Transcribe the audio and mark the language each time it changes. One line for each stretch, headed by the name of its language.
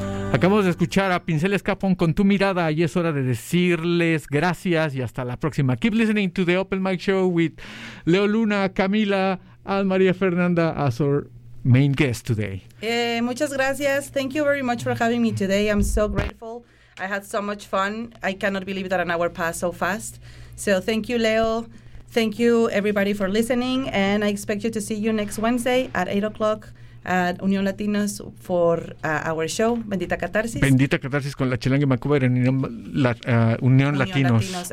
Spanish: Acabamos de escuchar a Pinceles Capón con Tu Mirada y es hora de decirles gracias y hasta la próxima.
English: Keep listening to the Open Mic Show with Leo Luna, Camila, and María Fernanda as our main guest today.
Spanish: Muchas gracias.
English: Thank you very much for having me today. I'm so grateful. I had so much fun. I cannot believe that an hour passed so fast. So thank you, Leo. Thank you, everybody, for listening. And I expect you to see you next Wednesday at 8 o'clock at Unión Latinos for our show, Bendita Catarsis.
Spanish: Bendita Catarsis con la Chilanga y Macuba en Unión Latinos.